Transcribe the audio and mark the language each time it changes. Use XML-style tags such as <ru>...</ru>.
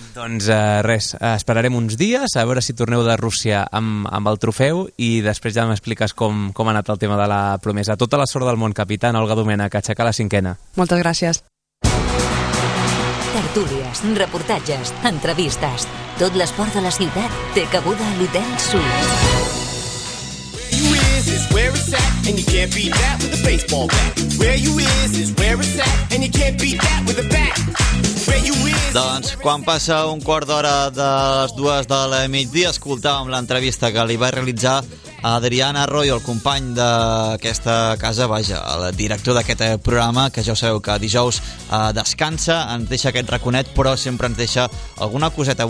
<ca>Doncs res, esperarem uns dies a veure si torneu de Rússia amb el trofeu i després ja m'expliques com ha anat el tema de la promesa. Tota la sort del món, capità, Olga Domènech, aixeca la cinquena. Moltes gràcies. Tertúlies, reportatges, entrevistes. Tot l'esport de la ciutat té cabuda a l'Hotel Suís.</ca> <en>Where it's at, and you can't beat that with a baseball bat. Where you is where it's at, and you can't beat that with a bat.</en> <ca>Doncs quan passa un quart d'hora de les dues de la migdia escoltàvem l'entrevista que li va realitzar a Adrián Arroyo, el company d'aquesta casa, vaja, el director d'aquest programa, que ja ho sabeu que dijous descansa, ens deixa aquest raconet, però sempre ens deixa alguna coseta.</ca>